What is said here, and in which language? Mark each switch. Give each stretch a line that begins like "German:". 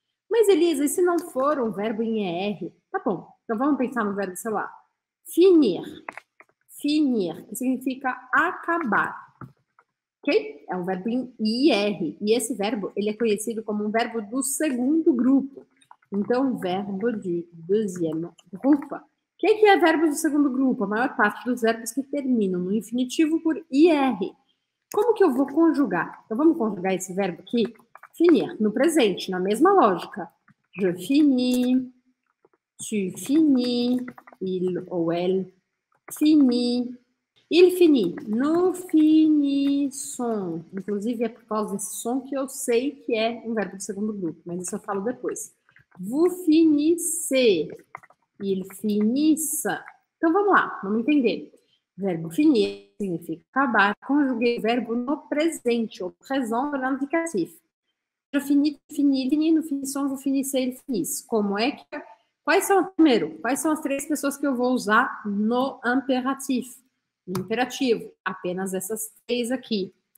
Portuguese: Mas, Elisa, e se não for um verbo em er? Tá bom. Então vamos pensar no verbo, sei lá, finir. Finir, que significa acabar. Ok? É um verbo em ir. E esse verbo, ele é conhecido como um verbo do segundo grupo. Então, verbo de
French: deuxième groupe.
Portuguese: O que é verbo do segundo grupo? A maior parte dos verbos que terminam no infinitivo por ir. Como que eu vou conjugar? Então, vamos conjugar esse verbo aqui? Finir, no presente, na mesma lógica.
French: Je finis. Tu finis, il ou elle finit. Il finit, nous finissons.
Portuguese: Inclusive, é por causa desse som que eu sei que é um verbo do segundo grupo, mas isso eu falo depois.
French: Vous finissez, il finisse.
Portuguese: Então, vamos lá, vamos entender. Verbo finir significa acabar. Conjuguei o verbo no presente, ou présent, no indicativo.
French: Je finis, finis, nous finissons, vous finissez, il finisse.
Portuguese: Como é que... Quais são, primeiro, quais são as três pessoas que eu vou usar no imperativo? No imperativo, apenas essas três aqui.